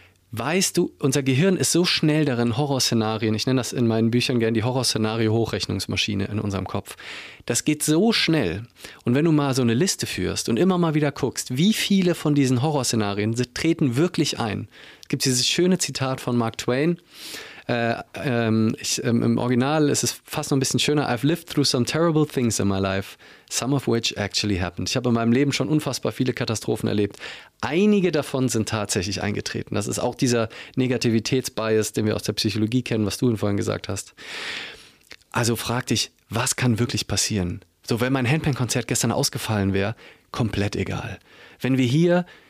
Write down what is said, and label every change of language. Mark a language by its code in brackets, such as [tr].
[de] Weißt du, unser Gehirn ist so schnell darin, Horrorszenarien, ich nenne das in meinen Büchern gerne die Horrorszenario-Hochrechnungsmaschine in unserem Kopf. Das geht so schnell. Und wenn du mal so eine Liste führst und immer mal wieder guckst, wie viele von diesen Horrorszenarien treten wirklich ein. Es gibt dieses schöne Zitat von Mark Twain, im Original ist es fast noch ein bisschen schöner. [en] I've lived through some terrible things in my life, some of which actually happened. [de] Ich habe in meinem Leben schon unfassbar viele Katastrophen erlebt. Einige davon sind tatsächlich eingetreten. Das ist auch dieser Negativitätsbias, den wir aus der Psychologie kennen, was du vorhin gesagt hast. Also frag dich, was kann wirklich passieren? So, wenn mein Handpan-Konzert gestern ausgefallen wäre, komplett egal. Wenn wir hier